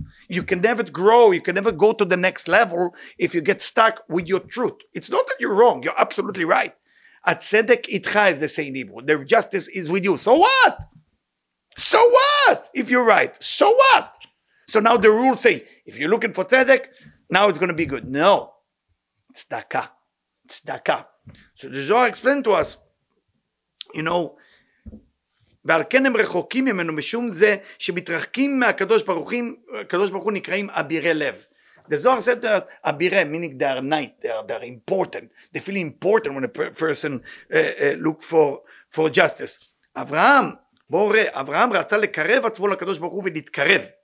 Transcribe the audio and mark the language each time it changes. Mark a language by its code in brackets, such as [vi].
[en] You can never grow. You can never go to the next level if you get stuck with your truth. It's not that you're wrong. You're absolutely right. At Tzedek Itcha, as they say in Hebrew, their justice is with you. So what? So what if you're right? So what? So now the rules say, if you're looking for Tzedek, now it's going to be good. No. Tzedakah. Tzedakah. So the Zohar explained to us, you know, [he] ועל כן הם רחוקים ממנו משום זה שמתרחקים מהקדוש ברוך הוא, הקדוש ברוך הוא נקראים אבירי לב. [en] The Zohar said that אבירי, meaning they are night, they are important. They feel important when a person look for justice. [he] אברהם, בואו ראה, אברהם רצה לקרב עצמו לקדוש ברוך הוא ולהתקרב.